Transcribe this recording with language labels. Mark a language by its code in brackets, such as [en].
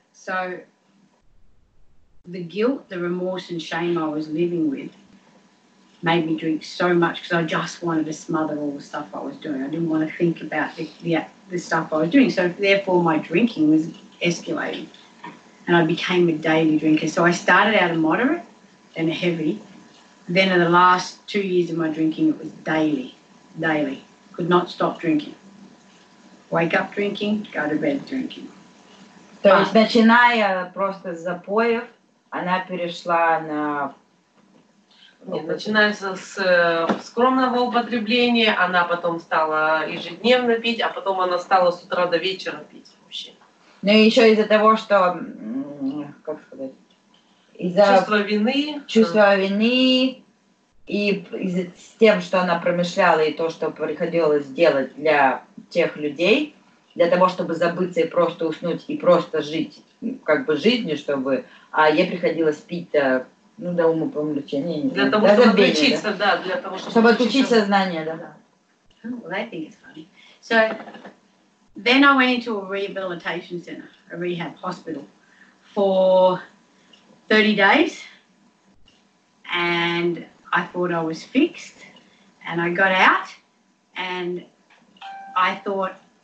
[en] So the guilt, the remorse and shame I was living with made me drink so much because I just wanted to smother all the stuff I was doing. I didn't want to think about the stuff I was doing. So therefore my drinking was escalating and I became a daily drinker. So I started out a moderate, then a heavy. Then in the last 2 years of my drinking, it was daily, daily. Could not stop drinking. Wake up drinking, go to bed drinking. [ru] То есть начиная просто с запоев, она перешла на... Нет, начиная с скромного употребления, она потом стала ежедневно пить, а потом она стала с утра до вечера пить вообще. Ну и еще из-за того, что, как сказать, из-за... Чувство вины. Чувство вины и с тем, что она промышляла и то, что приходилось делать для тех людей, для того, чтобы забыться и просто уснуть, и просто жить, как бы жизнью, чтобы... А ей приходилось пить, ну, до умопомрачения. Для того, чтобы забили, отключиться, да? Да, для того, чтобы... Чтобы отключить сознание, да. [en] Well, I think it's funny. So, then I went into a rehabilitation center, a rehab hospital, for 30 days, and I thought I was fixed, and I got out, and I thought...